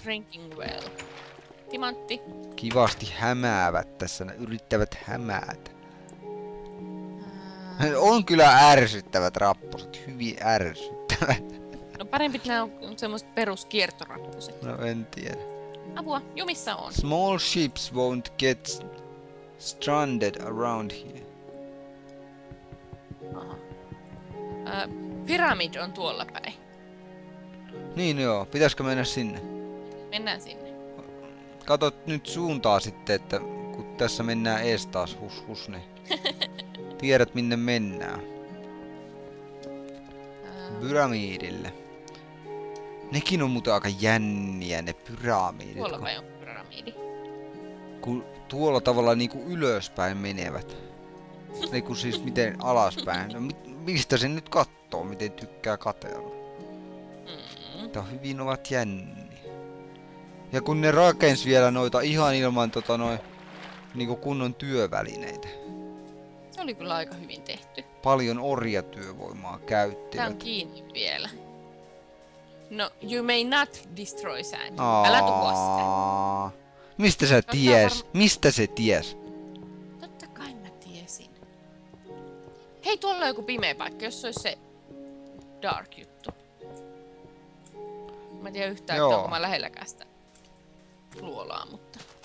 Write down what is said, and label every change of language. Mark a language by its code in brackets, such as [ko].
[en] Drinking well. [fi] Timantti. Kivasti hämäävät tässä, ne yrittävät hämäätä. On kyllä ärsyttävät rappuset, hyvin ärsyttävät. No parempi, että nää on semmoset peruskiertorappuset. No en tiedä. Apua, jumissa on. [en] Small ships won't get stranded around here. [fi] Aha. Pyramid on tuolla päin. Niin joo, pitäisikö mennä sinne? Mennään sinne. Kato nyt suuntaa sitten, että kun tässä mennään ees taas, hus, niin tiedät minne mennään. Pyramidille. Nekin on muuten aika jänniä, ne pyramidit. Tuolla vai on pyramidi? Kun tuolla tavalla niinku ylöspäin menevät. Niinku siis miten alaspäin. No, mistä sen nyt kattoo, miten tykkää katella. Tää hyvin ovat jänniä. Ja kun ne rakens vielä noita ihan ilman tota noin niinku kunnon työvälineitä. Se oli kyllä aika hyvin tehty. Paljon orjatyövoimaa käyttivät. Tää on kiinni vielä. [en] No, you may not destroy sand. [fi] Älä tuhoa sitä. Mistä sä ties? Mistä se ties? Totta kai mä tiesin. tuolla joku pimeä paikka, jos se olisi se dark juttu. Mä en tiedä yhtään, että onko mä lähelläkään sitä luolaa, mutta...